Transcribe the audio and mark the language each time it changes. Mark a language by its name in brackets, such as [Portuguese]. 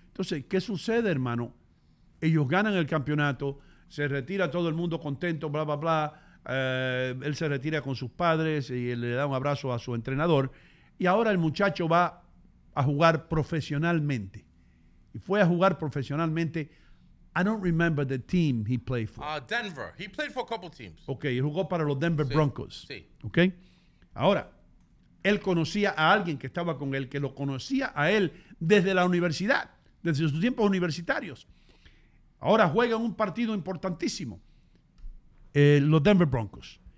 [Spanish] Entonces, ¿qué sucede, hermano? Ellos ganan el campeonato, se retira todo el mundo contento, bla, bla, bla. Él se retira con sus padres y él le da un abrazo a su entrenador. Y ahora el muchacho va a jugar profesionalmente. Y fue a jugar profesionalmente. [English] I don't remember the team he played for. Denver. He played for a couple teams. [Spanish] Okay, y jugó para los Denver Broncos. Sí. Okay. Ahora, él conocía a alguien que estaba con él, que lo conocía a él desde la universidad, desde sus tiempos universitarios. Ahora juega un partido importantísimo, los Denver Broncos.